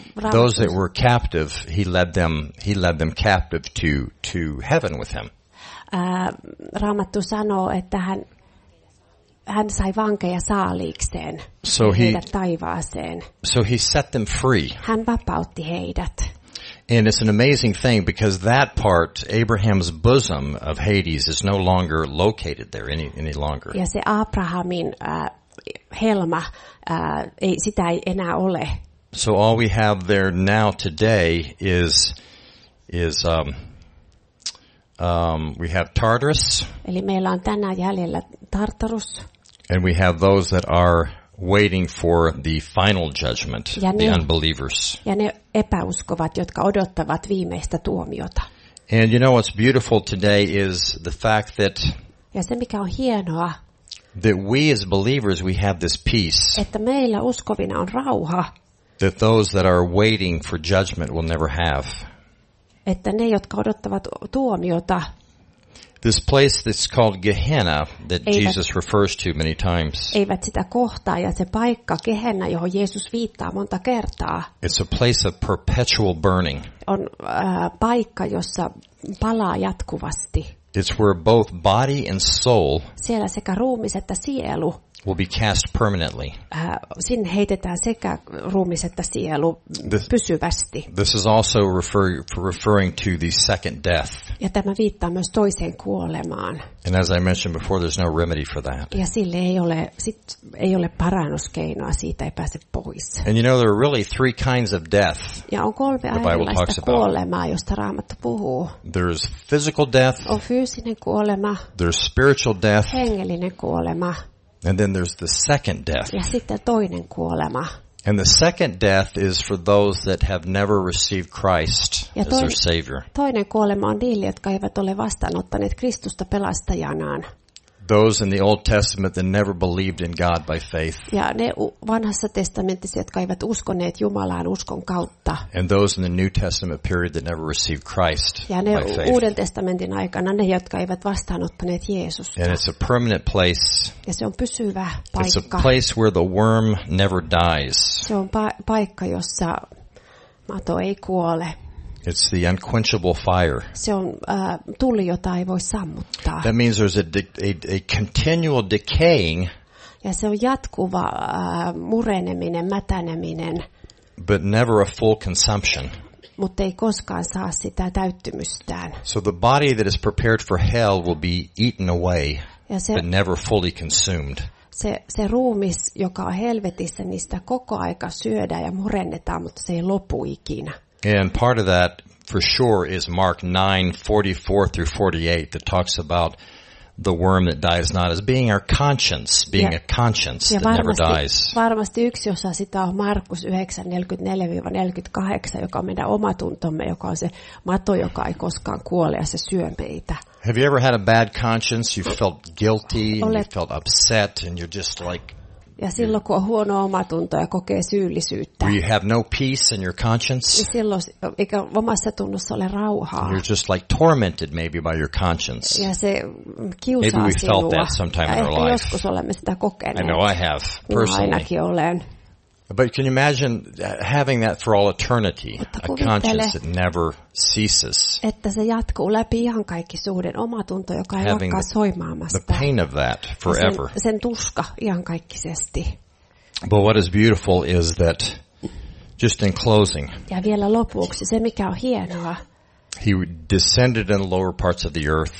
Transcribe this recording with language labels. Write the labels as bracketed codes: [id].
[en] Those that were captive, he led them captive to heaven with him. [fi] Raamattu sanoo, että hän sai vankeja saaliikseen, [en] so [fi] heidät taivaaseen. [en] So he set them free. [fi] Hän vapautti heidät. [en] And it's an amazing thing because that part, Abraham's bosom of Hades, is no longer located there any longer. [fi] Ja se Abrahamin helma, sitä ei enää ole. [en] So all we have there now today is we have Tartarus. [fi] Eli meillä on tänään jäljellä Tartarus. [en] And we have those that are waiting for the final judgment, [fi] ja [en] the unbelievers. [fi] Ja ne epäuskovat, jotka odottavat viimeistä tuomiota. [en] And you know what's beautiful today is the fact that. [fi] Ja se mikä on hienoa. [en] That we as believers we have this peace. [fi] Että meillä uskovina on rauha. [en] That those that are waiting for judgment will never have. [fi] Että ne, jotka odottavat tuomiota. [en] This place that's called Gehenna that Jesus refers to many times. [fi] Eivät sitä kohtaa ja se paikka Gehenna, johon Jeesus viittaa monta kertaa. [en] It's a place of perpetual burning. [fi] On paikka, jossa palaa jatkuvasti. [en] It's where both body and soul. [fi] Siellä sekä ruumis että sielu. [en] Will be cast permanently. [fi] Sinne heitetään sekä ruumis että sielu pysyvästi. [en] This is also referring to the second death. [fi] Ja tämä viittaa myös toiseen kuolemaan. [en] And as I mentioned before, there's no remedy for that. [fi] Ja sille ei ole parannuskeinoa, siitä ei pääse pois. [en] And you know there are really three kinds of death. [fi] Ja on kolme erilaista kuolemaa, josta Raamattu puhuu. [en] There's physical death. [fi] On fyysinen kuolema. [en] There's spiritual death. [fi] Hengellinen kuolema. [en] And then there's the second death. [fi] Ja sitten toinen kuolema. [en] And the second death is for those that have never received Christ [fi] ja [en] as their savior. [fi] Toinen kuolema on niille, jotka eivät ole vastaanottaneet Kristusta pelastajanaan. [en] those in the Old Testament that never believed in God by faith. [fi] Ja ne vanhassa testamentissa, jotka eivät uskoneet Jumalaan uskon kautta. [en] And those in the New Testament period that never received Christ by faith. [fi] Ja ne Uuden testamentin aikana ne, jotka eivät vastaanottaneet Jeesusta. [en] And it's a permanent place. [fi] Ja se on pysyvä paikka. [en] It's a place where the worm never dies. [fi] Se on paikka, jossa mato ei kuole. [en] It's the unquenchable fire. [fi] Se on tuli, jota ei voi sammuttaa. [en] That means there's a continual decaying. [fi] Ja se on jatkuva mureneminen, mätäneminen. [en] But never a full consumption. [fi] Mutta ei koskaan saa sitä täyttymystään. [en] So the body that is prepared for hell will be eaten away, [fi] ja se, [en] but never fully consumed. [fi] Se ruumis, joka on helvetissä, niin sitä koko aika syödään ja murennetaan, mutta se ei lopu ikinä. [en] And part of that, for sure, is Mark 9:44-48 that talks about the worm that dies not as being our conscience, being a conscience that [fi] varmasti, [en] never dies. [fi] Varmasti yksi osa sitä on Markus 9:44-48, joka on meidän omatuntomme, joka on se mato, joka ei koskaan kuole ja se syö meitä. [en] Have you ever had a bad conscience? You felt guilty, you felt upset, and you're just like... [fi] Ja silloin kun on huono omatunto ja kokee syyllisyyttä. [en] You have no peace in your conscience. [fi] Niin silloin eikä omassa tunnossa ole rauhaa. [en] You're just like tormented maybe by your conscience. [fi] Ja se kiusaa sinua. [en] Maybe we felt that sometime in our life. [fi] Joskus olemme sitä kokeneet. [en] I know I have personally. [fi] Minä ainakin olen. [en] But can you imagine having that for all eternity? A conscience that never ceases. [fi] Että se jatkuu läpi ihan kaikkisuuden, omatunto, joka ei lakkaa soimaamasta. [en] The pain of that forever. [fi] Sen tuska ihan kaikkisesti. [en] But what is beautiful is that, just in closing. [fi] Ja vielä lopuksi, se mikä on hienoa. [en] He descended in the lower parts of the earth.